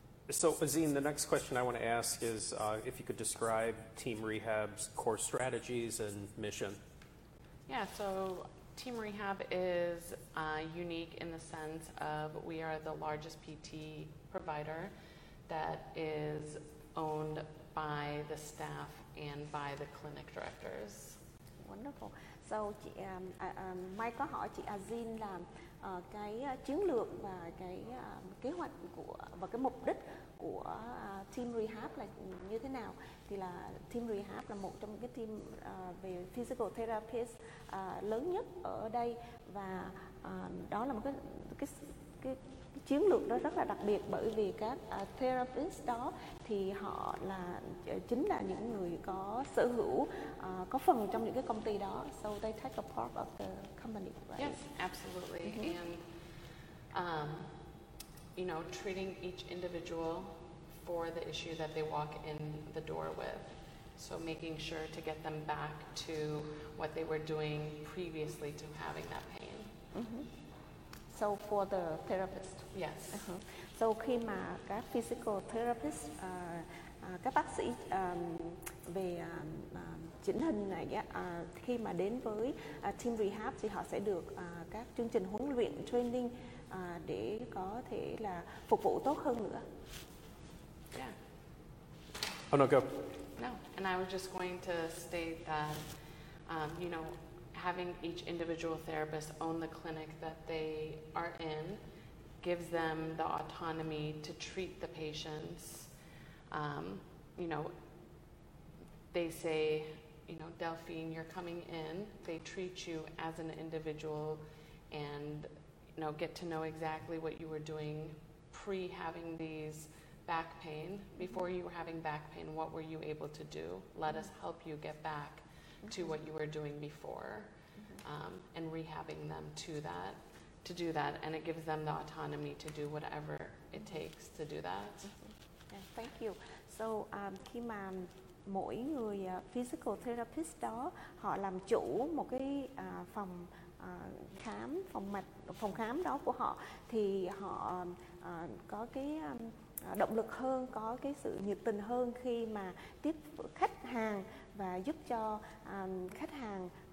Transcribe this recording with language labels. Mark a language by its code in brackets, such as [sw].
[en] So, Azeem, the next question I want to ask is if you could describe Team Rehab's core strategies and mission. Yeah, so Team Rehab is unique in the sense of we are the largest PT provider that is owned by the staff and by the clinic directors. Wonderful. [vi] So, Mike có hỏi chị Azeem là cái chiến lược và cái kế hoạch và cái mục đích của Team Rehab là như thế nào? Thì là Team Rehab là một trong những cái team về physical therapist lớn nhất ở đây và đó là một cái chiến lược đó rất là đặc biệt bởi vì các therapist đó thì họ là chính là những người có sở hữu có phần trong những cái công ty đó. [en] So they take a part of the company, right? Yes, absolutely. Mm-hmm. And you know, treating each individual for the issue that they walk in the door with. So making sure to get them back to what they were doing previously to having that pain. Mm-hmm. So for the therapist? Yes. Uh-huh. [vi] So khi mà các physical therapist, các bác sĩ về chỉnh hình này, khi mà đến với Team Rehab thì họ sẽ được các chương trình huấn luyện, training, để có thể là phục vụ tốt hơn nữa. [en] Yeah. Oh no, go. No, and I was just going to state that, you know, having each individual therapist own the clinic that they are in gives them the autonomy to treat the patients. You know, they say, you know, Delphine, you're coming in. They treat you as an individual and know, get to know exactly what you were doing pre having these back pain. Before you were having back pain, what were you able to do? Let us help you get back to what you were doing before, and rehabbing them to that, to do that. And it gives them the autonomy to do whatever it takes to do that. Yeah, thank you. [vi] So, khi mà mỗi người physical therapist đó họ làm chủ một cái phòng khám, phòng khám đó của họ thì họ có cái động lực hơn, có cái sự nhiệt tình hơn khi mà tiếp khách hàng và giúp cho khách hàng